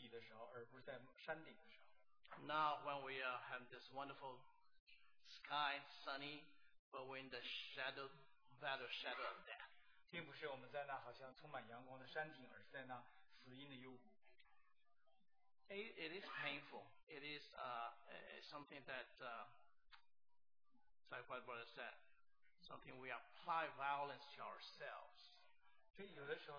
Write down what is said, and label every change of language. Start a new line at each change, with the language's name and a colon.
Chinese: 有一个弟兄在分享的时候提到，我们被改变的时候，常常当我们在谷底的时候，而不是在山顶的时候。
English: Now when we have this wonderful sky, sunny, but we're in the shadow of death.
Chinese: 并不是我们在那好像充满阳光的山顶，而是在那死荫的幽谷。
English: It is painful. It is something that, like what brother said, something we apply violence to ourselves.